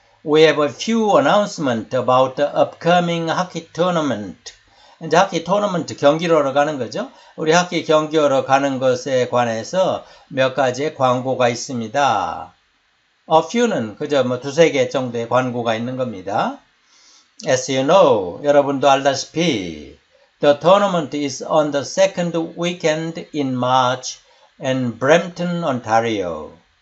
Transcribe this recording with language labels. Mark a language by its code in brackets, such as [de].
[en] We have a few announcements about the upcoming hockey tournament. [ko] 이제 하키 토너먼트 경기를 하러 가는 거죠. 우리 하키 경기하러 가는 것에 관해서 몇 가지의 광고가 있습니다. A few는 그저 뭐 두세 개 정도의 광고가 있는 겁니다. [en] As you know, [ko] 여러분도 알다시피 [en] The tournament is on the second weekend in March in Brampton, Ontario.